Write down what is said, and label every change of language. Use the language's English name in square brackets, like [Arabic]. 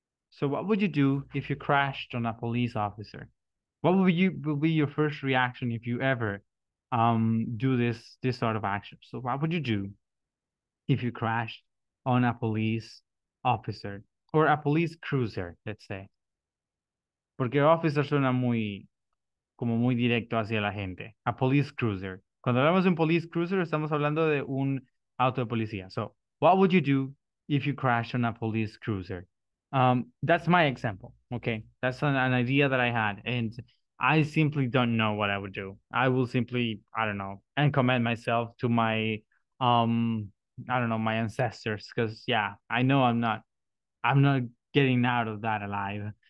[English] So what would you do if you crashed on a police officer? What would you would be your first reaction if you ever do this sort of action? So what would you do if you crashed on a police officer or a police cruiser, let's say? [Spanish] Porque officer suena muy como muy directo hacia la gente. [English] A police cruiser. [Spanish] Cuando hablamos de un police cruiser, estamos hablando de un auto de policía. [English] So what would you do if you crashed on a police cruiser? That's my example, okay? That's an idea that I had, and I simply don't know what I would do. I will simply, I don't know, and commend myself to my, I don't know, my ancestors, because, yeah, I know I'm not getting out of that alive.